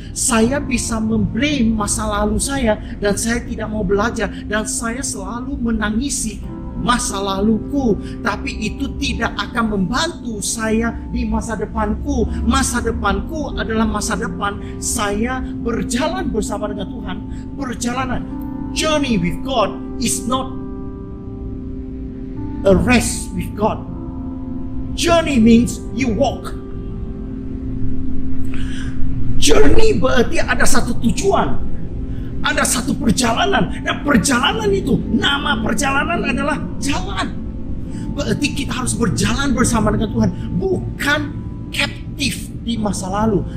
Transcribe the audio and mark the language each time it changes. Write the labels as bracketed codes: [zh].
[id] Saya bisa memblame masa lalu saya dan saya tidak mau belajar dan saya selalu menangisi masa laluku, tapi itu tidak akan membantu saya di masa depanku. Masa depanku adalah masa depan saya berjalan bersama dengan Tuhan. Perjalanan, [en] journey with God is not a rest with God. Journey means you walk. [id] Journey berarti ada satu tujuan, ada satu perjalanan, dan perjalanan itu, nama perjalanan adalah jalan. Berarti kita harus berjalan bersama dengan Tuhan, bukan captive di masa lalu.